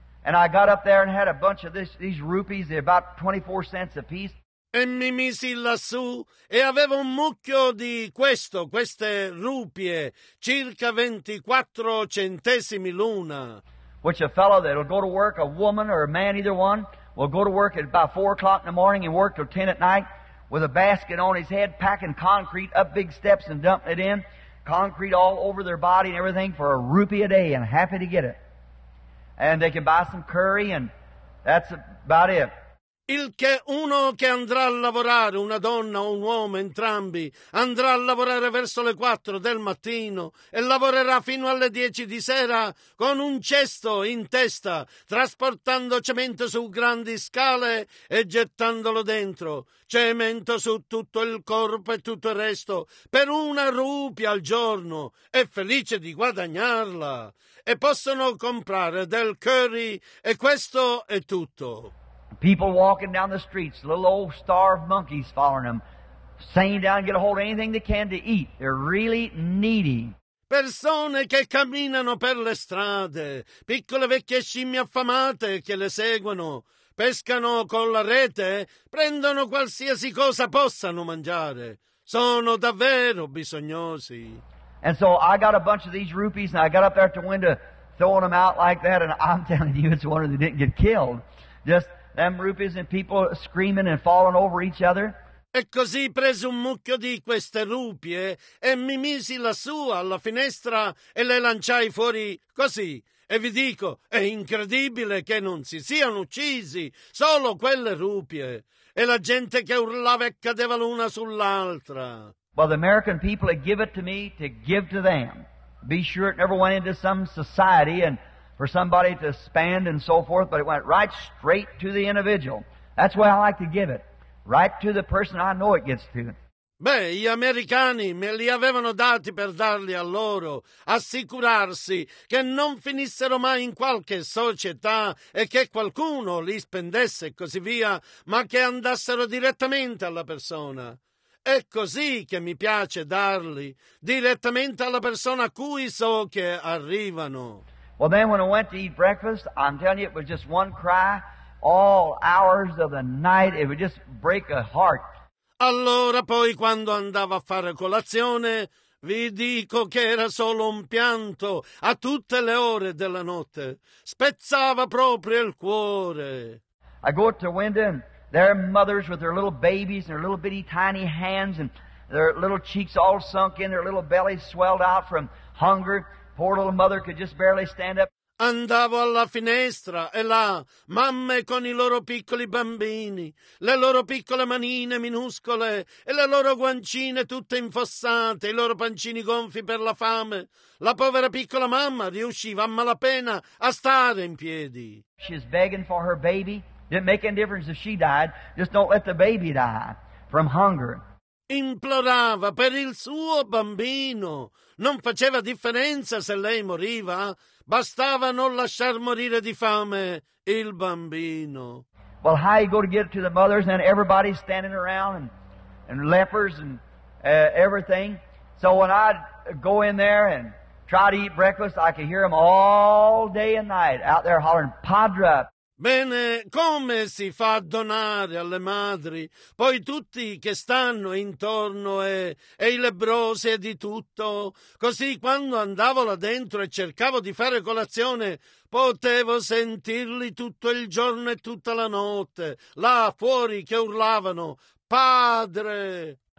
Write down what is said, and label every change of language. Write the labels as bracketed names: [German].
[English] And I got up there and had a bunch of these rupees, they're about 24 cents a piece. [Italian] E mi misi lassù e avevo un mucchio di queste rupie, circa 24 centesimi l'una. [English] Which a fellow that'll go to work, a woman or a man, either one, will go to work at about 4 o'clock in the morning and work till 10 at night with a basket on his head, packing concrete up big steps and dumping it in, concrete all over their body and everything for a rupee a day and happy to get it. And they can buy some curry and that's about it. [Italian] Il che uno che andrà a lavorare, una donna o un uomo, entrambi, andrà a lavorare verso le 4 del mattino e lavorerà fino alle 10 di sera con un cesto in testa, trasportando cemento su grandi scale e gettandolo dentro. Cemento su tutto il corpo e tutto il resto, per una rupia al giorno. È felice di guadagnarla. E possono comprare del curry e questo è tutto. [English] People walking down the streets, little old starved monkeys following them, saying down, get a hold of anything they can to eat. They're really needy. [Italian] Persone che camminano per le strade, piccole vecchie scimmie affamate che le seguono, pescano con la rete, prendono qualsiasi cosa possano mangiare. Sono davvero bisognosi. [English] And so I got a bunch of these rupees and I got up there at the window throwing them out like that, and I'm telling you, it's one of them didn't get killed. Just them rupees and people screaming and falling over each other. [Italian] E così presi un mucchio di queste rupie e mi misi lassù alla finestra e le lanciai fuori così. E vi dico, è incredibile che non si siano uccisi solo quelle rupie. E la gente che urlava e cadeva l'una sull'altra. [English] Well, the American people had given it to me to give to them. Be sure it never went into some society and for somebody to spend and so forth, but it went right straight to the individual. That's the way I like to give it, right to the person I know it gets to. [Italian] Beh, gli americani me li avevano dati per darli a loro, assicurarsi che non finissero mai in qualche società e che qualcuno li spendesse e così via, ma che andassero direttamente alla persona. È così che mi piace darli, direttamente alla persona a cui so che arrivano. [English] Well, then when I went to eat breakfast, I'm telling you, it was just one cry, all hours of the night, it would just break a heart. [Italian] Allora poi quando andavo a fare colazione, vi dico che era solo un pianto a tutte le ore della notte. Spezzava proprio il cuore. [English] I go to window and there are mothers with their little babies and their little bitty tiny hands and their little cheeks all sunk in, their little bellies swelled out from hunger. Poor little mother could just barely stand up. [Italian] Andavo alla finestra e là, mamme con i loro piccoli bambini, le loro piccole manine minuscole e le loro guancine tutte infossate, i loro pancini gonfi per la fame. La povera piccola mamma riusciva a malapena a stare in piedi. [English] She's begging for her baby. Didn't make any difference if she died. Just don't let the baby die from hunger. [Italian] Implorava per il suo bambino. Non faceva differenza se lei moriva. Bastava non lasciar morire di fame il bambino. [English] Well, how you go to get to the mothers and everybody's standing around and lepers and everything. So when I'd go in there and try to eat breakfast, I could hear them all day and night out there hollering, Padre. [Italian] Bene, come si fa a donare alle madri, poi tutti che stanno intorno e i lebbrosi e di tutto? Così quando andavo là dentro e cercavo di fare colazione, potevo sentirli tutto il giorno e tutta la notte, là fuori che urlavano, Padre!